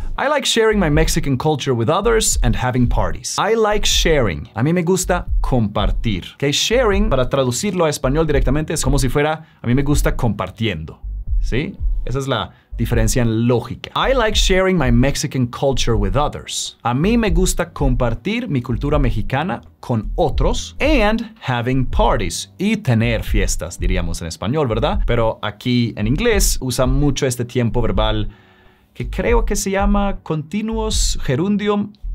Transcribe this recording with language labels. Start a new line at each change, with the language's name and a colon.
English: I like sharing my Mexican culture with others and having parties. I like sharing.
Spanish: A mí me gusta compartir. Okay, sharing, para traducirlo a español directamente, es como si fuera a mí me gusta compartiendo. ¿Sí? Esa es la diferencia en lógica.
English: I like sharing my Mexican culture with others.
Spanish: A mí me gusta compartir mi cultura mexicana con otros.
English: And having parties.
Spanish: Y tener fiestas, diríamos en español, ¿verdad? Pero aquí en inglés usa mucho este tiempo verbal que creo que se llama continuous gerundium.